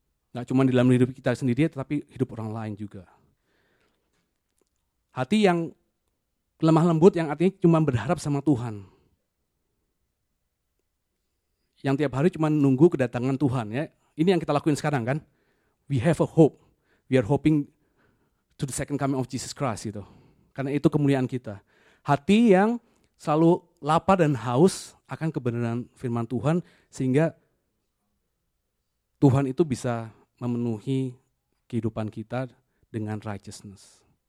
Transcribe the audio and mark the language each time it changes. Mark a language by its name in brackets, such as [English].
[Indonesian] Gak cuma dalam hidup kita sendiri, tetapi hidup orang lain juga. Hati yang lemah lembut, yang artinya cuma berharap sama Tuhan. Yang tiap hari cuma nunggu kedatangan Tuhan. Ya. Ini yang kita lakuin sekarang kan. [English] We have a hope. We are hoping to the second coming of Jesus Christ. [Indonesian] Gitu. Karena itu kemuliaan kita. Hati yang selalu lapar dan haus akan kebenaran firman Tuhan, sehingga Tuhan itu bisa memenuhi kehidupan kita dengan righteousness.